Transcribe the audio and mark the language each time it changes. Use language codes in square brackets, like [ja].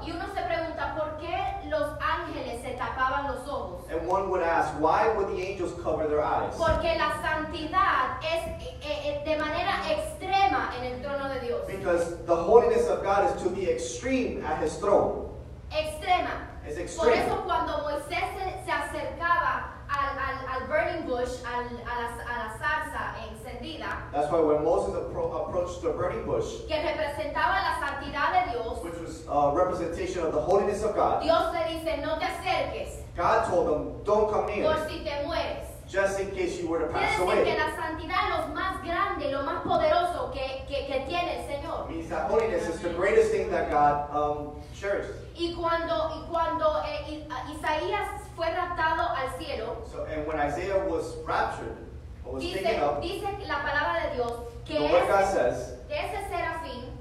[es] Y uno se pregunta, ¿por qué los ángeles se tapaban los ojos? [en] And one would ask, why would the angels cover their eyes? [es] Porque la santidad es de manera extrema en el trono de Dios. [en] Because the holiness of God is to be extreme at his throne. [es] Extrema. [en] It's extreme. [es] Por eso cuando Moisés se acercaba al [en] burning bush, [es] a la zarza encendida. [en] That's why when Moses approached the burning bush, [es] que representaba la santidad de Dios, [en] which was a representation of the holiness of God, [es] Dios le dice, no te acerques. [en] God told him, don't come near. [es] Por si te mueres. [en] just in case you were to pass away. [es] Que la santidad lo más grande y lo más poderoso que tiene el Señor. [en] Means that holiness is the greatest thing that God shares. [es] Y cuando Isaías fue raptado al cielo. [en] So, and when Isaiah was raptured, or was taken up. [es] Dice la palabra de Dios que ese serafín.